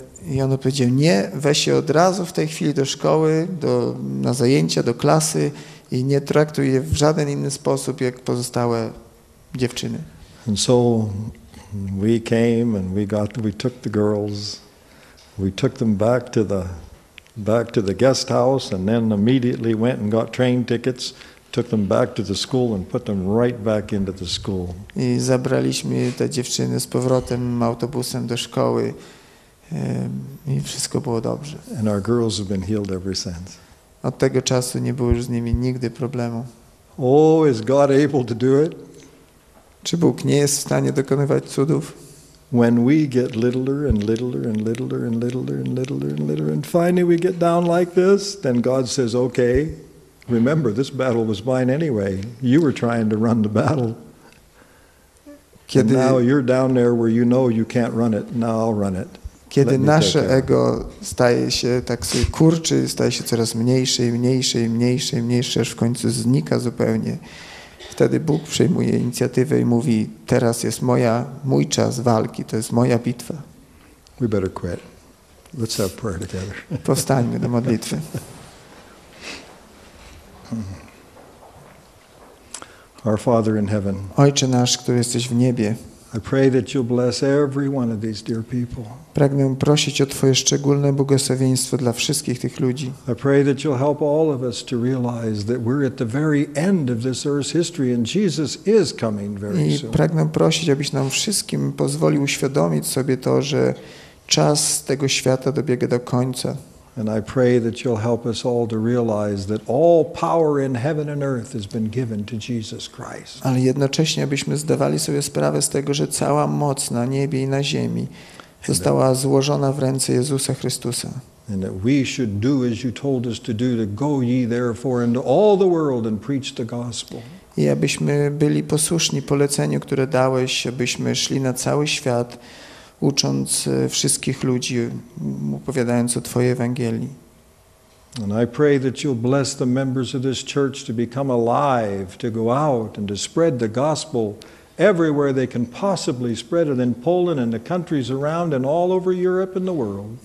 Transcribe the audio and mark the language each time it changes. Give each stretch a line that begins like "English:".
Polish: I on powiedział, nie, weź się od razu w tej chwili do szkoły, na zajęcia, do klasy i nie traktuj je w żaden inny sposób, jak pozostałe dziewczyny.
English: And so we came and we took the girls, we took them back to the guest house and then immediately went and got train tickets, took them back to the school and put them right back into the school.
Polish: I zabraliśmy te dziewczyny z powrotem autobusem do szkoły i wszystko było dobrze.
English: And our girls have been healed ever since.
Polish: Od tego czasu nie było już z nimi nigdy problemu.
English: Oh, is God able to do it?
Polish: Czy Bóg nie jest w stanie dokonywać cudów?
English: When we get littler and littler and littler and littler and littler and littler and finally we get down like this, then God says, okay, remember, this battle was mine anyway. You were trying to run the battle.
Polish: Kiedy,
English: and now you're down there where you know you can't run it. Now I'll run it.
Polish: Kiedy nasze ego staje się tak sobie kurczy, staje się coraz mniejsze i mniejsze i mniejsze i mniejsze, aż w końcu znika zupełnie. Wtedy Bóg przejmuje inicjatywę i mówi, teraz jest mój czas walki, to jest moja bitwa.
English: We better quit. Let's have prayer together.
Polish: Powstańmy do modlitwy.
English: Our Father in heaven,
Polish: Ojcze nasz, który jesteś w niebie,
English: I pray that you'll bless every one of these dear people.
Polish: Pragnę prosić o Twoje szczególne błogosławieństwo dla wszystkich tych ludzi.
English: I pray that you'll help all of us to realize that we're at the very end of this earth's history and Jesus is coming very soon.
Polish: I pragnę prosić, abyś nam wszystkim pozwolił uświadomić sobie to, że czas tego świata dobiega do końca.
English: And I pray that you'll help us all to realize that all power in heaven and earth has been given to Jesus Christ.
Polish: Ale jednocześnie abyśmy zdawali sobie sprawę z tego, że cała moc na niebie i na ziemi została złożona w ręce Jezusa Chrystusa.
English: And that we should do as you told us to do, to go ye therefore into all the world and preach the gospel.
Polish: I abyśmy byli posłuszni poleceniu, które dałeś, abyśmy szli na cały świat, ucząc wszystkich ludzi, opowiadając o Twojej Ewangelii.
English: And I pray that you'll bless the members of this church to become alive, to go out and to spread the gospel everywhere they can possibly spread it in Poland and the countries around and all over Europe and the world.